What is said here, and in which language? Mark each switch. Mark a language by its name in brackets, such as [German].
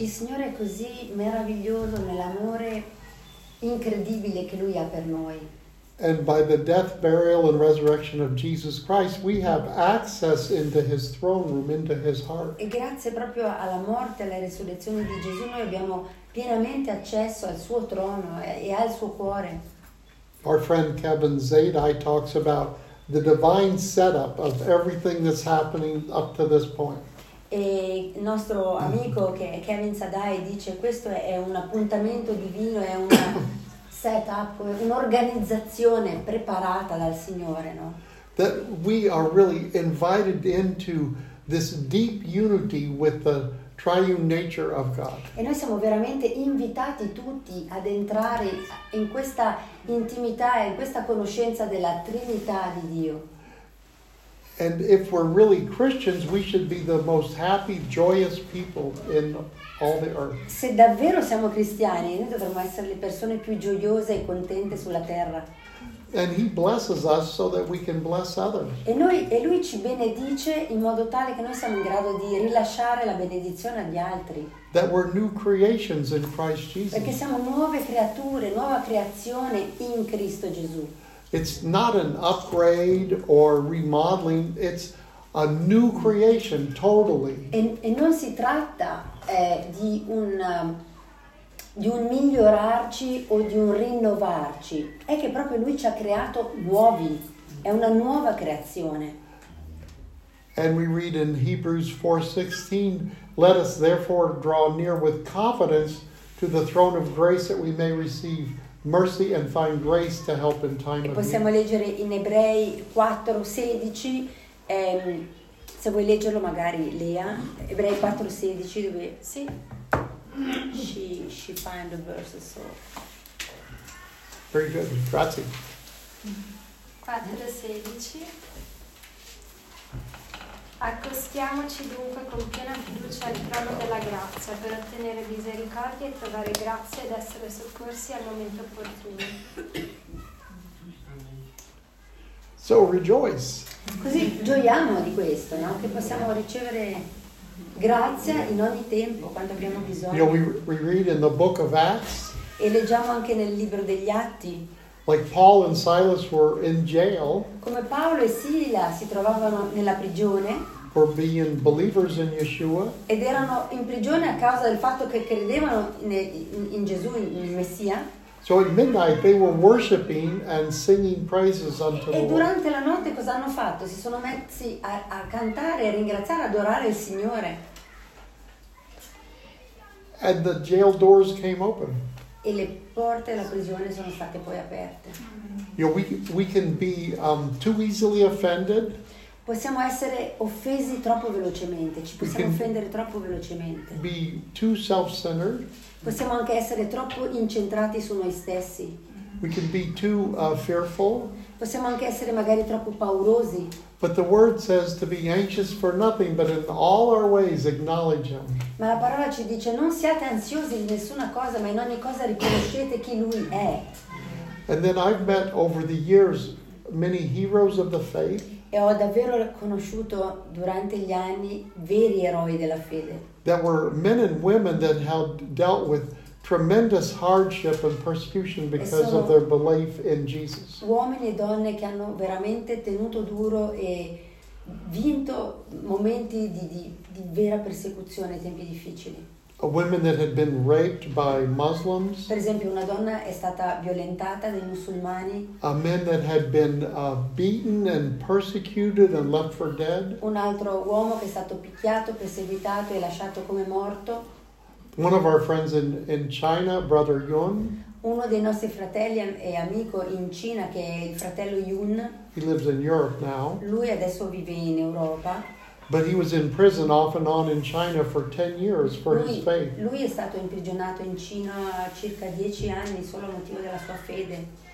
[Italian] Il Signore è così meraviglioso nell'amore incredibile che lui ha per noi. [English] And by the death, burial, and resurrection of Jesus Christ, we have access into his throne room, into his heart. [Italian] E grazie proprio alla morte e alla resurrezione di Gesù, noi abbiamo pienamente accesso al suo trono e al suo cuore. [English] Our friend Kevin Zadi talks about the divine setup of everything that's happening up to this point. [Italian] E il nostro amico che è Kevin Zadi dice questo è un appuntamento divino, è una setup, un'organizzazione preparata dal Signore, no? [English] That we are really invited into this deep unity with the triune nature of God. [Italian] E noi siamo veramente invitati tutti ad entrare in questa intimità e in questa conoscenza della Trinità di Dio. [English] And if we're really Christians, we should be the most happy, joyous people in all the earth. [Italian] Se davvero siamo cristiani, noi dovremmo essere le persone più gioiose e contente sulla terra. [English] And he blesses us so that we can bless others. [Italian] E noi, e lui ci benedice in modo tale che noi siamo in grado di rilasciare la benedizione agli altri. [English] That we're new creations in Christ Jesus. [Italian] Perché siamo nuove creature, nuova creazione in Cristo Gesù. [English] It's not an upgrade or remodeling, it's a new creation totally. [Italian] E non si tratta di un migliorarci o di un rinnovarci, è che proprio lui ci ha creato nuovi, è una nuova creazione. [English] And we read in Hebrews 4:16, let us therefore draw near with confidence to the throne of grace that we may receive mercy and find grace to help in time of need. [Italian] Possiamo leggere in Ebrei 4:16, se vuoi leggerlo magari Lea, Ebrei 4:16 dove [English] sì. She find the verses so. Very good, grazie. 4:16. [Italian] Accostiamoci dunque con piena fiducia al trono della grazia per ottenere misericordia e trovare grazia ed essere soccorsi al momento opportuno. [English] So rejoice. [Italian] Così gioiamo di questo, no? Che possiamo ricevere grazia in ogni tempo quando abbiamo bisogno. [English] You know, we read in the book of Acts. [Italian] E leggiamo anche nel libro degli Atti. [English] Like Paul and Silas were in jail. [Italian] Come Paolo e Sila si trovavano nella prigione. [English] For being believers in Yeshua. [Italian] Ed erano in prigione a causa del fatto che credevano in Gesù, nel Messia. [English] So at midnight they were worshiping and singing praises unto the Lord. [Italian] E durante la notte cosa hanno fatto? Si sono messi a cantare, a ringraziare, a adorare il Signore. [English] And the jail doors came open. [Italian] E le porte della prigione sono state poi aperte. [English] You know, we can be too easily offended. [Italian] Possiamo essere offesi troppo velocemente, ci possiamo offendere troppo velocemente. [English] Be too self-centered. [Italian] Possiamo anche essere troppo incentrati su noi stessi. [English] We can be too fearful. [Italian] Possiamo anche essere magari troppo paurosi. [English] But the word says to be anxious for nothing, but in all our ways acknowledge him. [Italian] Ma la parola ci dice non siate ansiosi in nessuna cosa, ma in ogni cosa riconoscete chi lui è. [English] And then I've met over the years many heroes of the faith. [Italian] E ho davvero conosciuto durante gli anni veri eroi della fede. [English] There were men and women that had dealt with tremendous hardship and persecution because of their belief in Jesus. [Italian] Uomini e donne che hanno veramente tenuto duro e vinto momenti di vera persecuzione, tempi difficili. [English] A woman that had been raped by Muslims. [Italian] Per esempio, una donna è stata violentata dai musulmani. [English] A man that had been beaten and persecuted and left for dead. [Italian] Un altro uomo che è stato picchiato, perseguitato e lasciato come morto. [English] One of our friends in China, Brother Yun. [Italian] Uno dei nostri fratelli e amico in Cina che è il fratello Yun. [English] He lives in Europe now. [Italian] Lui adesso vive in Europa. [English] But he was in prison off and on in China for 10 years for his faith. [Italian] Lui è stato imprigionato in Cina circa 10 anni solo a motivo della sua fede.